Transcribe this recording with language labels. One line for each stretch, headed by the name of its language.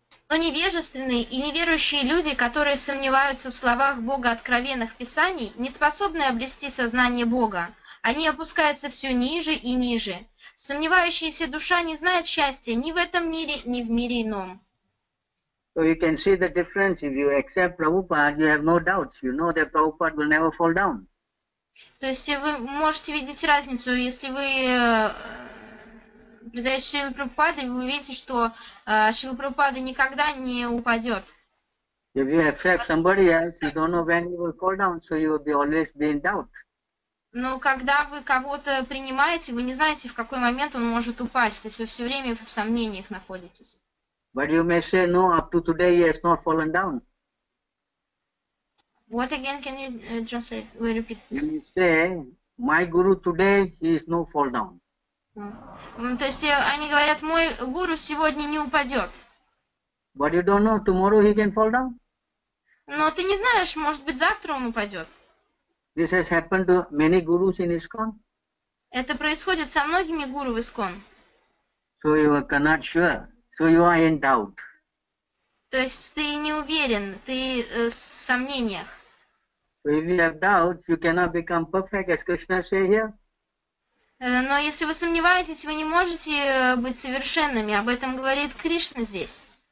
Russian: Но невежественные и неверующие люди, которые сомневаются в словах Бога откровенных писаний, не способны обрести сознание Бога. Они опускаются все ниже и ниже. Сомневающаяся душа не знает счастья ни в этом мире, ни в мире ином.
English: So you can see the difference. If you accept Prabhupada, you have no doubts. You know that Prabhupada will never fall down.
Russian: То есть вы можете видеть разницу, если вы предаете Шрилу Прабхупаду, вы увидите, что Шрила Прабхупада никогда не упадет.
English: If you affect somebody else, you don't know when you will fall down, so you will be always being doubt.
Russian: Но когда вы кого-то принимаете, вы не знаете, в какой момент он может упасть, то есть вы все время в сомнениях находитесь.
English: But you may say, no, up to today he has not fallen down. What again can you translate? Will you repeat this? You may say, my guru today he is no fall down.
Russian: То есть они говорят, мой гуру сегодня не упадет.
English: But you don't know, tomorrow he can fall down.
Russian: Но ты не знаешь, может быть завтра он упадет.
English: This has happened to many gurus in ISKCON.
Russian: Это происходит со многими гуру в ИСККОН.
English: So you are not sure, so you are in doubt.
Russian: То есть ты не уверен, ты в сомнениях.
English: So if you have doubt, you cannot become perfect, as Krishna say here.
Russian: Но если вы сомневаетесь, вы не можете быть совершенными. Об этом говорит Кришна здесь.